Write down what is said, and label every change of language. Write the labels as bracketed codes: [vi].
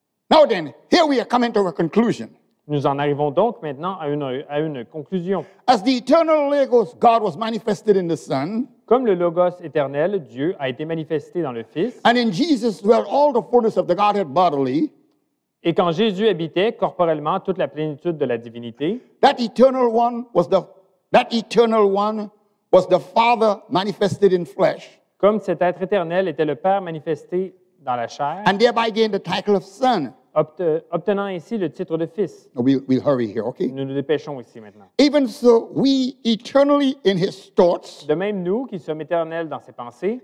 [en] Now then, here we are coming to a conclusion. [fr] Nous en arrivons donc maintenant à une conclusion. [en] As the eternal Logos, God was manifested in the Son. [fr] Comme le Logos éternel, Dieu a été manifesté dans le Fils. [en] And in Jesus dwelt all the fullness of the Godhead bodily. [fr] Et quand Jésus habitait corporellement toute la plénitude de la divinité. [en] That eternal one was the Father manifested in flesh. [fr] Comme cet être éternel était le Père manifesté dans la chair. [en] And thereby gained the title of Son. [fr] Obtenant ainsi le titre de fils. [en] We'll hurry here, okay? [fr] Nous nous dépêchons ici maintenant. [en] Even so, we eternally in his thoughts. [fr] De même nous qui sommes éternels dans ses pensées.